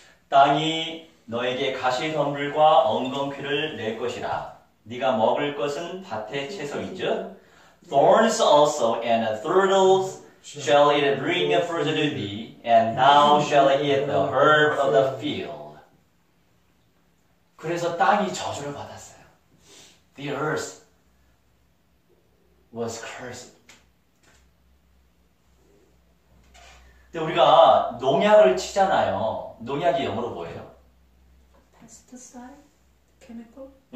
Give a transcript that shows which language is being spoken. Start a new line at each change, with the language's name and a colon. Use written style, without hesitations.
Korean: 땅이 너에게 가시덤불과 엉겅퀴를 낼 것이라. 네가 먹을 것은 밭의 채소이죠.
English: Thorns also and thistles shall it bring fruit to thee, and thou shalt eat the herb of the field.
Korean: 그래서 땅이 저주를 받았어요.
English: The earth was cursed.
Korean: 근데 우리가 농약을 치잖아요. 농약이 영어로 뭐예요?
English: Pesticide? Chemical?